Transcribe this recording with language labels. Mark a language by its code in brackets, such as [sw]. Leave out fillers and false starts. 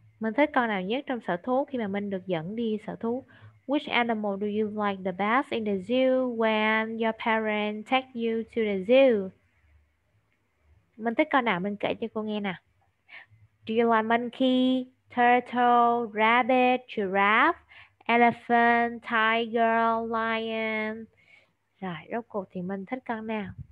[vi] Mình thích con nào nhất trong sở thú khi mà mình được dẫn đi sở thú? [en] Which animal do you like the best in the zoo when your parents take you to the zoo? [vi] Mình thích con nào? Mình kể cho cô nghe nè. [en] Do you like monkey, turtle, rabbit, giraffe, elephant, tiger, lion? [vi] Rồi, rốt cuộc thì mình thích con nào?